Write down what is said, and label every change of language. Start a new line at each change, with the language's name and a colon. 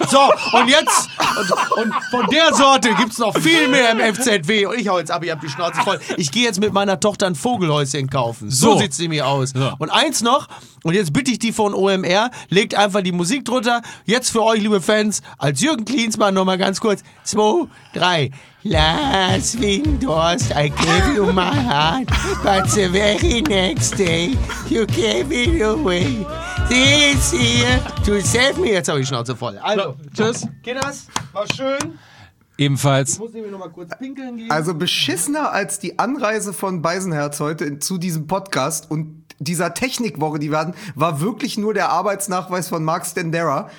German: So, und jetzt, und von der Sorte gibt's noch viel mehr im FZW. Und ich hau jetzt ab, ich hab die Schnauze voll. Ich gehe jetzt mit meiner Tochter ein Vogelhäuschen kaufen. So sieht sie mir aus. Ja. Und eins noch, und jetzt bitte ich die von OMR, legt einfach die Musik drunter. Jetzt für euch, liebe Fans, als Jürgen Klinsmann nochmal ganz kurz. 2, 3.
English: Last wing Dorst, I gave you my heart, but the very next day, you gave it away. This year, to save me.
German: Jetzt habe ich Schnauze voll. Also, tschüss. Geht das? War schön. Ebenfalls. Ich muss nämlich nochmal kurz pinkeln gehen. Also beschissener als die Anreise von Beisenherz heute zu diesem Podcast und dieser Technikwoche, die wir hatten, war wirklich nur der Arbeitsnachweis von Mark Stendera.